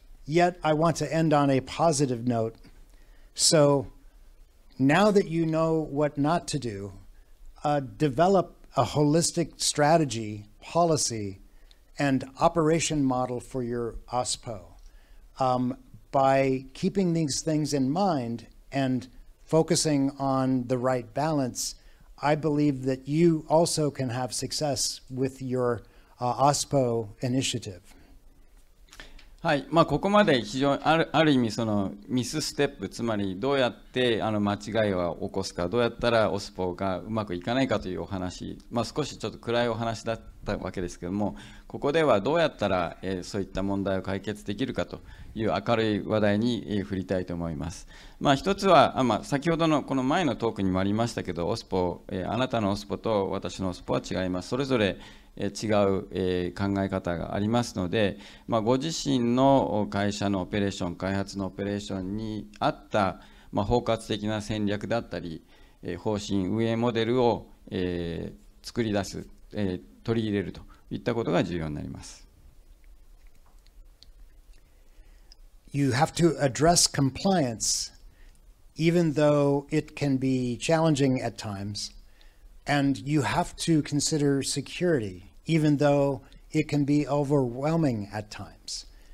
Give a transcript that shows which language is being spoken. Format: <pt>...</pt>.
<en>Yet, I want to end on a positive note. So now that you know what not to do, develop a holistic strategy, policy, and operation model for your OSPO. By keeping these things in mind and focusing on the right balance, I believe that you also can have success with your OSPO initiative.</en> <ja>はい、まあ、ここまで非常にある意味そのミスステップ、つまりどうやって間違いを起こすか、どうやったらオスポがうまくいかないかというお話、まあ、少しちょっと暗いお話だったわけですけども、ここではどうやったら、そういった問題を解決できるかという明るい話題に、振りたいと思います。まあ、一つは、まあ、先ほどのこの前のトークにもありましたけど、オスポ、あなたのオスポと私のオスポは違います。それぞれ違う考え方がありますので、まあ、ご自身の会社のオペレーション、開発のオペレーションに合った、まあ、包括的な戦略だったり、方針、運営モデルを、作り出す、取り入れるといったことが重要になります。</ja> <en>You have to address compliance, even though it can be challenging at times, and you have to consider security. Even though it can be overwhelming at times.</en>